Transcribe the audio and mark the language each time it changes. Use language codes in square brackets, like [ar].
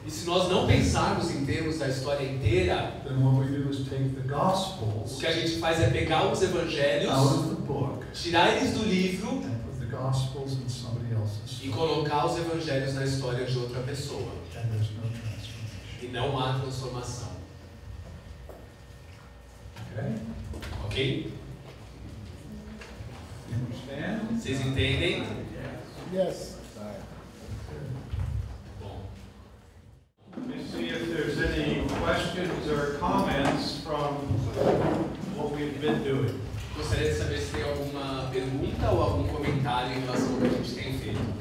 [pt] E se nós não pensarmos em termos da história inteira, [en] then what we do is take the gospels. [pt] O que a gente faz é pegar os evangelhos, [en] out of the book, [pt] tirar eles do livro, [en] and put the gospels in somebody else's story. [pt] E colocar os evangelhos na história de outra pessoa. [en] And there's no transformation. [pt] E não há transformação. [en] Okay? Okay? [pt] Vocês entendem? [en] Yes. Let me see if there's any questions or comments from what we've been doing. [pt] Gostaria de saber se tem alguma pergunta ou algum comentário em relação ao que a gente tem feito.